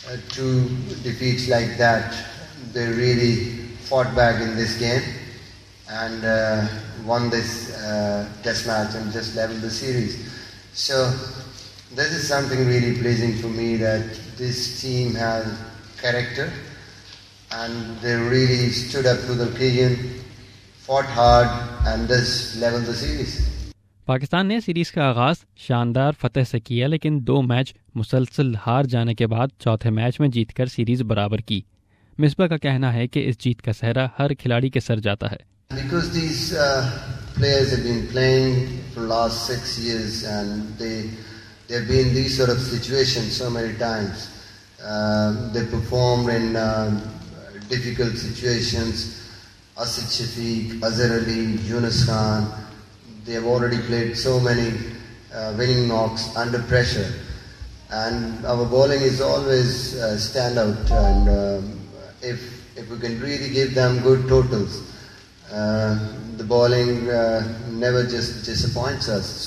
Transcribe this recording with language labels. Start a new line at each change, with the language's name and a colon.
English: two defeats like that, they really fought back in this game and won this test match and just leveled the series. So this is something really pleasing for me, that this team has character and they really stood up to the occasion, fought hard and just leveled the series.
Urdu: Pakistan نے series کا آغاز شاندار فتح سے کیا، لیکن 2 match مسلسل ہار جانے کے بعد 4th میچ میں جیت کر سیریز برابر کی۔ مصباح کا کہنا ہے کہ اس جیت کا سہرا ہر کھلاڑی کے سر جاتا ہے۔
English: Because these players have been playing for last 6 years and they have been in these sort of situations so many times. They performed in difficult situations. Asif Shafiq, Azhar Ali, Yunus Khan, they have already played so many winning knocks under pressure, and our bowling is always stand out, and if we can really give them good totals, the bowling never just disappoints us.